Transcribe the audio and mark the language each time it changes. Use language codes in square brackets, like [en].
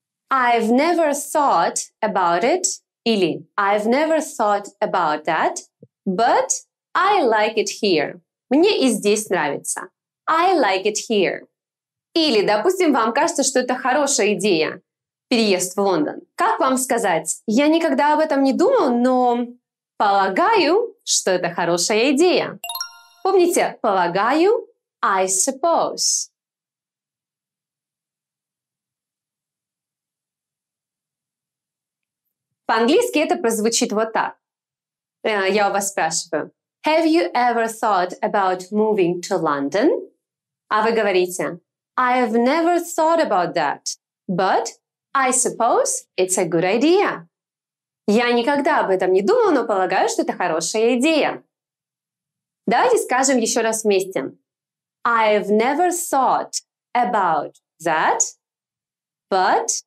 [en] I've never thought about it, или I've never thought about that, but I like it here. [ru] Мне и здесь нравится. [en] I like it here. [ru] Или, допустим, вам кажется, что это хорошая идея, переезд в Лондон. Как вам сказать? Я никогда об этом не думал, но полагаю, что это хорошая идея. Помните, полагаю, [en] I suppose. [ru] По-английски это прозвучит вот так. Я у вас спрашиваю: [en] Have you ever thought about moving to London? [ru] А вы говорите: [en] I've never thought about that, but I suppose it's a good idea. [ru] Я никогда об этом не думал, но полагаю, что это хорошая идея. Давайте скажем еще раз вместе. [en] I've never thought about that, but...